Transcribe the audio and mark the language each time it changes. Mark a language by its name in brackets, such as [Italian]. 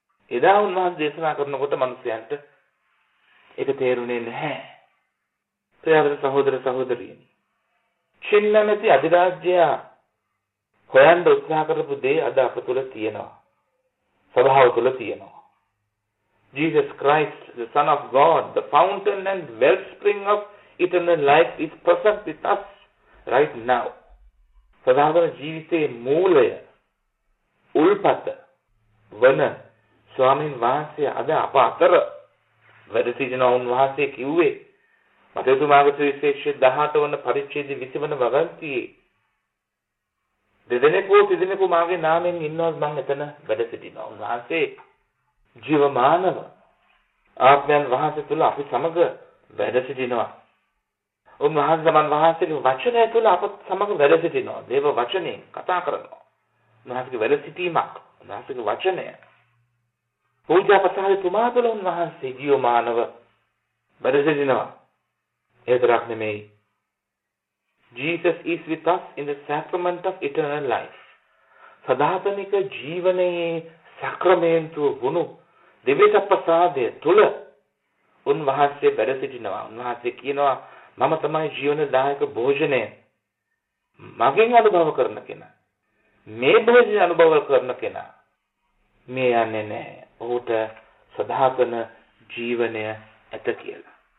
[Sinhala] එදා උන්වහන්සේ දේශනා කරනකොට මනුස්සයන්ට ඒක තේරුණේ නැහැ. ප්‍රියවත සහෝදර සහෝදරියනි, චින් නැමැති අධිරාජ්‍යයා හොයන්න උත්සාහ කරපු දේ අද අප තුළ තියෙනවා, සභාව තුළ තියෙනවා. [English] Jesus Christ, the Son of God, the fountain and wellspring of eternal life is present with us right now. [Sinhala] සදාතන ජීවිතයේ මූලය, උල්පත වන ස්වාමීන් වහන්සේ අද අප අතර වැඩ සිටිනවා. උන්වහන්සේ කිව්වේ මතේතුමාගේ සුවිශේෂ 18 වන පරිච්ඡේදයේ 20 වන වගන්තියේ, දෙදෙනෙකුෝ තිදෙනෙකු මාගේ නාමයෙන් ඉන්නවා, මම එතන වැඩ සිටිනවා. උන්වහන්සේ ජීවමානව ආත්මයන් වහන්සේ තුළ අපි සමග වැඩ සිටිනවා. උන්වහන්සේ මන් වහන්සේගේ වචනය තුළ අප සමග වැඩ සිටිනවා. දේව වචනේ කතා කරනවා. උන්වහන්සේගේ වැඩ සිටීමක්, උන්වහන්සේගේ වචනය. පූජා පසාද තුමා තුළ උන්වහන්සේ ජීවමානව වැඩ සිටිනවා. ඒතරක් නෙමෙයි, [English] Jesus is with us in the sacrament of eternal life. [Sinhala] සදාතනික ජීවනයේ සක්‍රමේන්තුව වුණු දෙවිත ප්‍රසාදය තුළ උන්වහන්සේ වැඩ සිටිනවා. උන්වහන්සේ කියනවා, මම තමයි ජීවන දායක භෝජනය. මගෙන් අනුභව කරන කෙනා, මේ භෝජනය අනුභව කරන කෙනා මේ යන්නේ නැහැ, ඔහුට සදාතන ජීවනය ඇත කියලා.